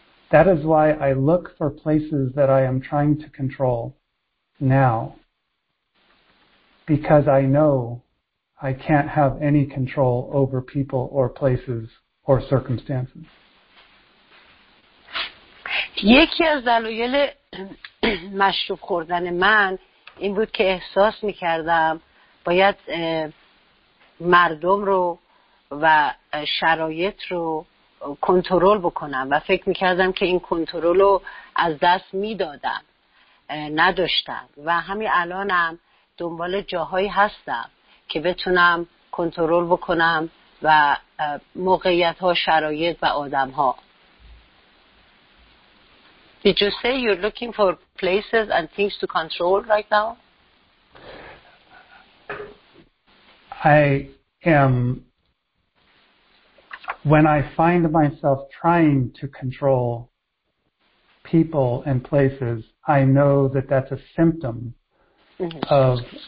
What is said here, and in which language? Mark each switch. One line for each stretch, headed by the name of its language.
English: That is why I look for places that I am trying to control now, because I know I can't have any control over people or places or circumstances.
Persian: یکی از دلایل مشروب خوردن من این بود که احساس میکردم باید مردم رو و شرایط رو کنترل بکنم و فکر میکردم که این کنترل رو از دست میدادم، نداشتم و همین الانم دنبال جاهایی هستم که بتونم کنترل بکنم و موقعیت ها، شرایط و آدم ها.
English: Did you say you're looking for places and things to control right now? I am. When I find myself trying to control people and places, I know that that's a symptom of